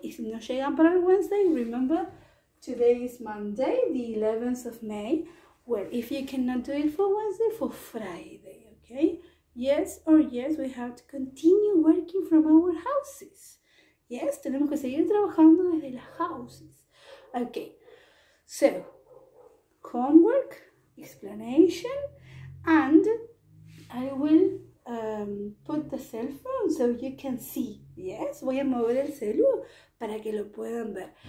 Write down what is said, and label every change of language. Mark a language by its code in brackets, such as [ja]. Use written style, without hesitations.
[es] Y si no llegan para el [en] Wednesday, remember, today is Monday, the 11th of May. Well, if you cannot do it for Wednesday, for Friday, okay? Yes or yes, we have to continue working from our houses. [es] Yes, tenemos que seguir trabajando desde las houses. [en] Okay, so, homework, explanation, and I will put the cell phone so you can see. [es] Yes, voy a mover el celu para que lo puedan ver.